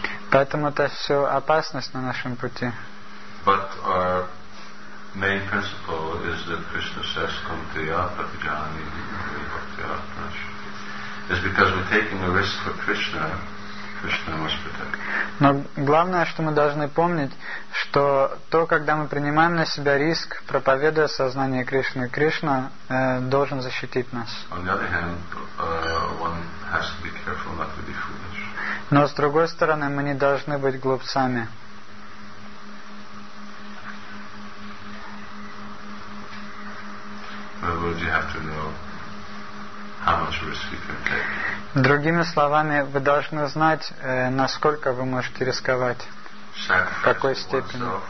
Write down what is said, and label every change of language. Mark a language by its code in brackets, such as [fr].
[ru] Поэтому это все опасность на нашем пути. [en] Main principle is that Krishna says [sa] kumtiya patijani bhaktiyatnash. [en] It's because we're taking a risk for Krishna, Krishna must protect. [ru] Но главное, что мы должны помнить, что то, когда мы принимаем на себя риск, проповедуя сознание Кришны, Кришна должен защитить нас. [en] On the other hand, one has to be careful not to be foolish. [ru] Но с другой стороны, мы не должны быть глупцами. [en] In other words, you have to know how much [ru] Другими словами, вы должны знать, насколько вы можете рисковать, в какой степени.